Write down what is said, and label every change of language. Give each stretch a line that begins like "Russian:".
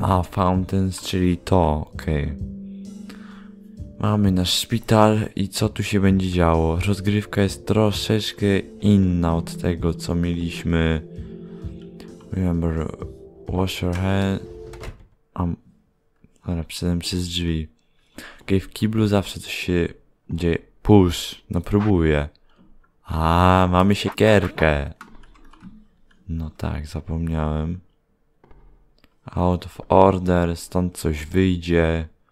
Polish: Fountains, czyli to, okej. Mamy nasz szpital i co tu się będzie działo? Rozgrywka jest troszeczkę inna od tego, co mieliśmy.
English: Remember, wash your hand.
Polish: Ale przyszedłem przez drzwi. Okej, w kiblu zawsze coś się dzieje. Push, no próbuję. Mamy siekierkę. No tak, zapomniałem.
English: Out of order,
Polish: stąd coś wyjdzie.